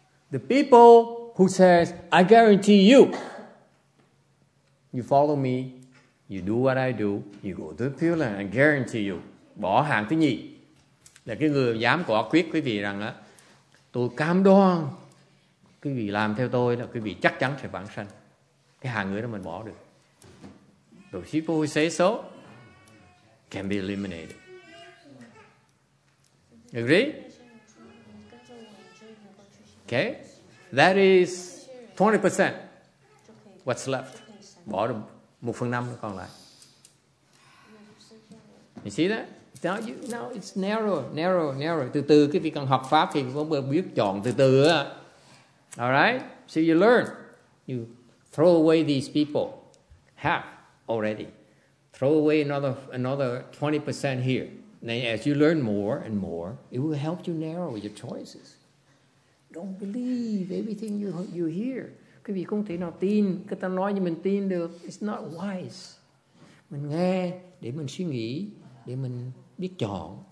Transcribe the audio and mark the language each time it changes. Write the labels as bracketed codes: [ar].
[en] The people who says, I guarantee you follow me, you do what I do, you go to the Pure Land, I guarantee you. [vi] Bỏ hàng thứ nhì là cái người dám quả quyết quý vị rằng á, tôi cam đoan quý vị làm theo tôi là quý vị chắc chắn sẽ vãng sanh. Cái hàng người đó mình bỏ được. [en] Those people who say so can be eliminated. Agree? Okay, that is 20%. What's left? [vi] Bỏ được 1/5 còn lại. [en] You see that? Now it's narrow. [vi] Từ từ cái việc cần học pháp thì cũng biết chọn từ từ. [en] All right. So you learn. You throw away these people. Half already. Throw away another 20% here. Then as you learn more and more, it will help you narrow your choices. Don't believe everything you hear. [vi] Quý vị không thể nào tin, người ta nói như mình tin được. [en] It's not wise. [vi] Mình nghe để mình suy nghĩ, để mình biết chọn.